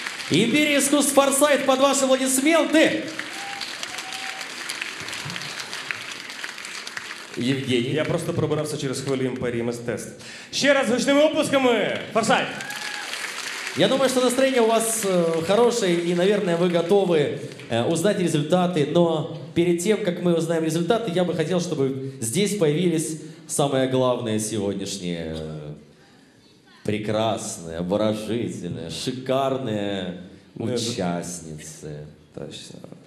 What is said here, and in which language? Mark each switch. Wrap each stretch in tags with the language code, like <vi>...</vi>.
<ru>Империя искусств «Фарсайт» под ваши аплодисменты! Евгений.</ru> <uk>Я просто пробирався через хвилю «Імперії мистецтв». Ще раз гучними оплесками «Фарсайт».</uk> <ru>Я думаю, что настроение у вас хорошее, и, наверное, вы готовы узнать результаты. Но перед тем, как мы узнаем результаты, я бы хотел, чтобы здесь появились самые главные сегодняшние прекрасные, обворожительные, шикарные участницы. Точно.</ru>